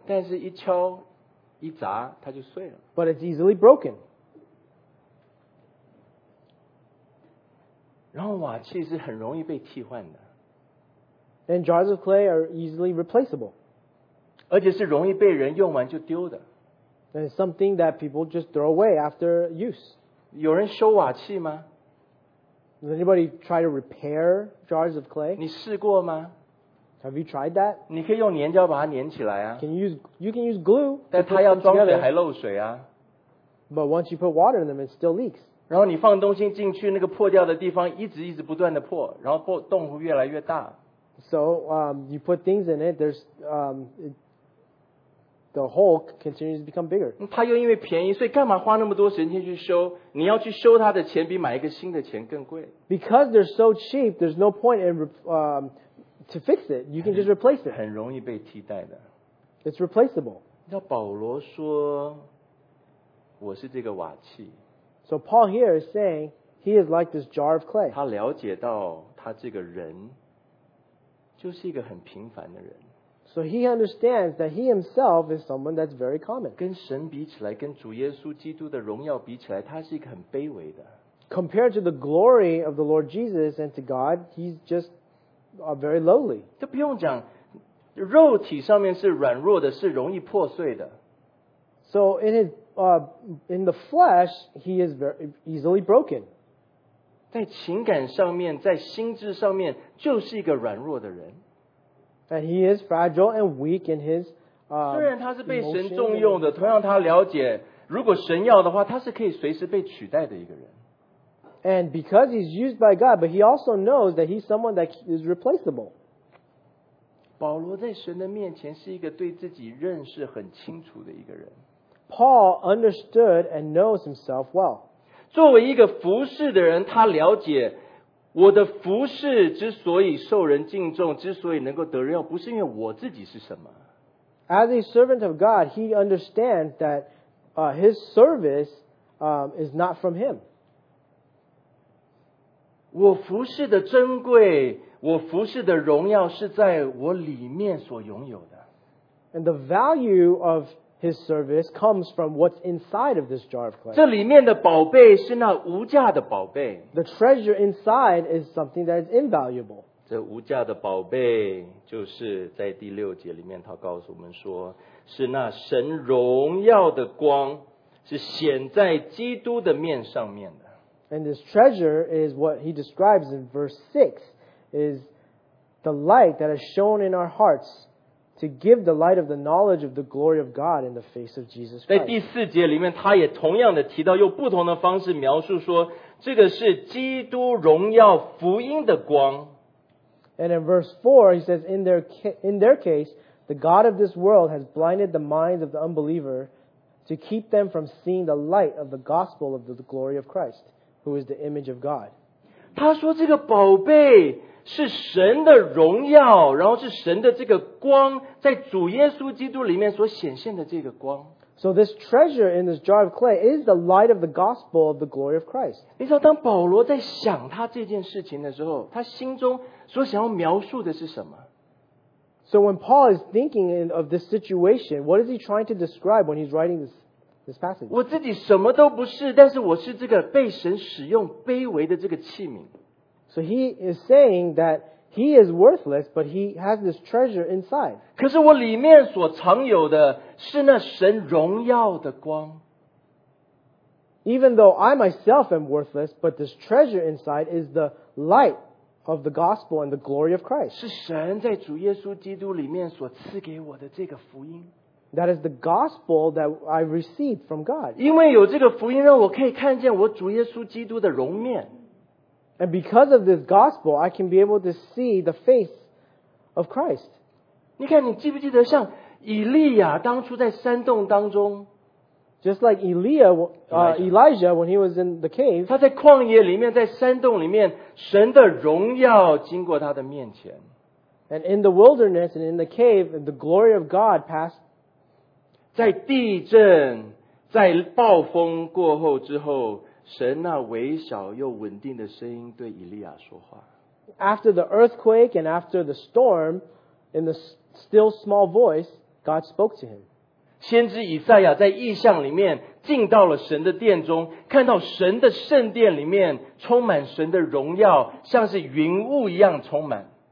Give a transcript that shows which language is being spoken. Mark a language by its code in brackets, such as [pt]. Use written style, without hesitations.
[zh] 但是一敲一砸它就碎了。 [en] But it's easily broken. [zh] 然后瓦器是很容易被替换的。 [en] And jars of clay are easily replaceable. [zh] 而且是容易被人用完就丢的。 [en] And it's something that people just throw away after use. [zh] 有人修瓦器吗？ [en] Does anybody try to repair jars of clay? [zh] 你试过吗？ [en] Have you tried that? [zh] 你可以用粘胶把它粘起来啊。 [en] You can use glue. [zh] 但它要装水还漏水啊。 [en] But once you put water in them, it still leaks. [zh] 然后你放东西进去，那个破掉的地方一直一直不断的破，然后洞户越来越大。 [en] So, you put things in it, there's, the hole continues to become bigger. [zh] 它又因为便宜，所以干嘛花那么多时间去修？你要去修它的钱比买一个新的钱更贵。 [en] Because they're so cheap, there's no point in, to fix it. You can just replace it. [zh] 很容易被替代的。 [en] It's replaceable. [zh] 要保罗说，我是这个瓦器。 [en] So Paul here is saying, he is like this jar of clay. [zh] 他了解到他这个人就是一个很平凡的人。 [en] So he understands that he himself is someone that's very common. [zh] 跟神比起来，跟主耶稣基督的荣耀比起来，他是一个很卑微的。 [en] Compared to the glory of the Lord Jesus and to God, he's just very lowly. [zh] 这不用讲，肉体上面是软弱的，是容易破碎的。 [en] So in the flesh, he is very easily broken. [zh] 在情感上面，在心智上面，就是一个软弱的人。 [en] And he is fragile and weak in his. [zh] 虽然他是被神重用的，同样他了解，如果神要的话，他是可以随时被取代的一个人。 [en] And because he's used by God, but he also knows that he's someone that is replaceable. [zh] 保罗在神的面前是一个对自己认识很清楚的一个人。 [en] Paul understood and knows himself well. [zh] 作为一个服事的人，他了解。我的服事之所以受人敬重，之所以能够得荣耀，不是因为我自己是什么。 [en] As a servant of God, he understands that his service is not from him. [zh] 我服事的珍贵，我服事的荣耀是在我里面所拥有的。 [en] And the value of his service comes from what's inside of this jar of clay. [zh] 这里面的宝贝是那无价的宝贝。 [en] The treasure inside is something that is invaluable. [zh] 这无价的宝贝就是在第六节里面他告诉我们说，是那神荣耀的光，是显在基督的面上面的。 [en] And this treasure is what he describes in verse 6, is the light that has shone in our hearts. To give the light of the knowledge of the glory of God in the face of Jesus Christ. [zh] 在第四节里面，他也同样的提到，用不同的方式描述说，这个是基督荣耀福音的光。 [en] And in verse 4, he says, in their case, the God of this world has blinded the minds of the unbeliever to keep them from seeing the light of the gospel of the glory of Christ, who is the image of God. [zh] 他说这个宝贝是神的荣耀，然后是神的这个光，在主耶稣基督里面所显现的这个光。 [en] So this treasure in this jar of clay is the light of the gospel of the glory of Christ. [zh] 你知道，当保罗在想他这件事情的时候，他心中所想要描述的是什么？ [en] So when Paul is thinking of this situation, what is he trying to describe when he's writing this passage? [zh] 我自己什么都不是，但是我是这个被神使用卑微的这个器皿。 [en] So he is saying that he is worthless, but he has this treasure inside. [zh] 可是我里面所藏有的是那神荣耀的光。 [en] Even though I myself am worthless, but this treasure inside is the light of the gospel and the glory of Christ. [zh] 是神在主耶稣基督里面所赐给我的这个福音。 [en] That is the gospel that I received from God. [zh] 因为有这个福音，让我可以看见我主耶稣基督的荣面。 [en] And because of this gospel, I can be able to see the face of Christ. [zh] 你看，你记不记得像以利亚当初在山洞当中 [en] ，just like Elijah when he was in the cave. [zh] 他在旷野里面，在山洞里面，神的荣耀经过他的面前。 [en] And in the wilderness and in the cave, the glory of God passed. [zh] 在地震、在暴风过后之后。神那微小又稳定的声音对以利亚说话。 [en] After the earthquake and after the storm, in the still small voice, God spoke to him. [zh] 先知以赛亚在异象里面进到了神的殿中，看到神的圣殿里面充满神的荣耀，像是云雾一样充满。